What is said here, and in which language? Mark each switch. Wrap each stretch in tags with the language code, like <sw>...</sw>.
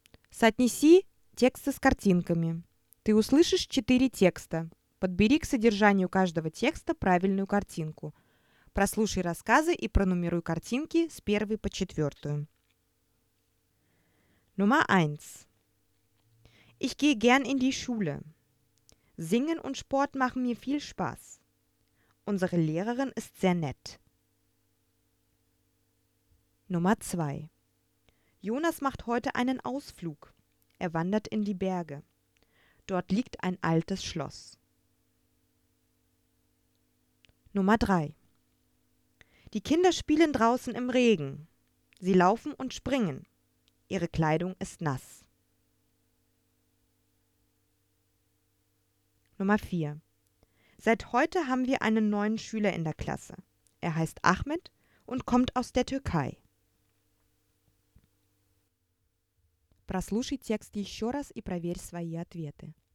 <ru>Соотнеси тексты с картинками. Ты услышишь 4 текста. Подбери к содержанию каждого текста правильную картинку. Прослушай рассказы и пронумеруй картинки с 1 по 4.</ru> <de>Nummer 1. Ich gehe gern in die Schule. Singen und Sport machen mir viel Spaß. Unsere Lehrerin ist sehr nett. Nummer 2. Jonas macht heute einen Ausflug. Er wandert in die Berge. Dort liegt ein altes Schloss. Nummer 3. Die Kinder spielen draußen im Regen. Sie laufen und springen. Ihre Kleidung ist nass. Nummer 4. Seit heute haben wir einen neuen Schüler in der Klasse. Er heißt Ahmed und kommt aus der Türkei.</de> <ru>Прослушай текст еще раз и проверь свои ответы.</ru>